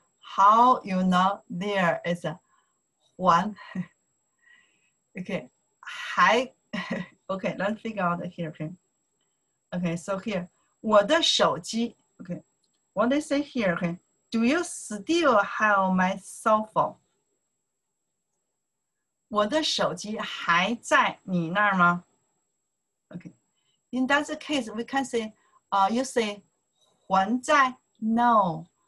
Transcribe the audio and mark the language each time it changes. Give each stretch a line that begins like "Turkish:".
English: How you know there is a 还. Okay, 还.Okay, let's figure out here. Okay, okay, so here, 我的手机. Okay, what they say here, okay, do you still have my cell phone?
Chinese: 我的手机还在你那儿吗?
English: Okay, in that case, we can say, you say, 还在? No,